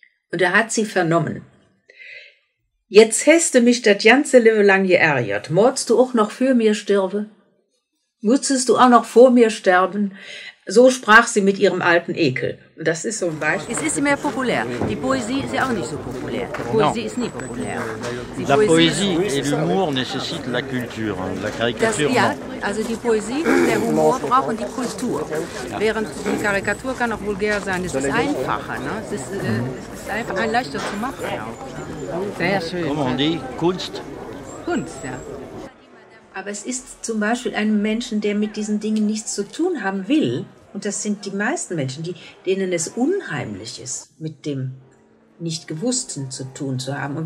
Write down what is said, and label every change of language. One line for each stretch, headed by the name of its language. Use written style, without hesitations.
German: Und er hat sie vernommen. Jetzt häste mich das ganze Leben lang geärgert. Mordst du auch noch für mir stirbe? Musstest du auch noch vor mir sterben? So sprach sie mit ihrem alten Ekel. Und das ist so ein Beispiel. Es ist mehr populär. Die Poesie ist ja auch nicht so populär. Die Poesie ist nie populär.
French: Die la Poesie et l'humour nécessitent la culture. La caricature,
German: ja, also die Poesie und der Humor brauchen die Kultur. Ja. Während die Karikatur kann auch vulgär sein. Es ist einfacher. Ne? Es ist einfach ein leichter zu machen. Ja. Sehr schön.
French: Comme on dit, Kunst.
German: Kunst, ja. Aber es ist zum Beispiel einem Menschen, der mit diesen Dingen nichts zu tun haben will, und das sind die meisten Menschen, denen es unheimlich ist, mit dem Nicht-Gewussten zu tun zu haben.